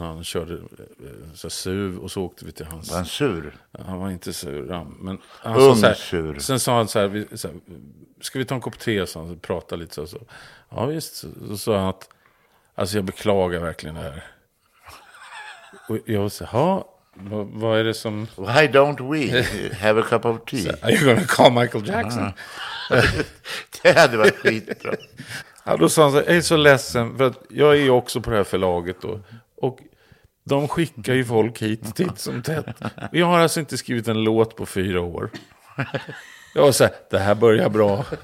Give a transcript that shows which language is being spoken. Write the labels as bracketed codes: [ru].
[sv] Han körde så SUV och så åkte vi till hans. Var han sur? Han var inte sur. Men ungsur. Sen sa han så här, ska vi ta en kopp te? Så han pratade lite så. Ja visst. Så sa han att, alltså jag beklagar verkligen det här. Och jag sa, vad är det som... [en] Why don't we have a cup of tea? [sv] Så, [en] are you going to call Michael Jackson? [sv] Det hade varit skitbra. Ja, då sa han så här, jag är så ledsen för att jag är ju också på det här förlaget då. Och de skickar ju folk hit titt som tätt. Jag har alltså inte skrivit en låt på 4 år. Jag var så här, det här börjar bra.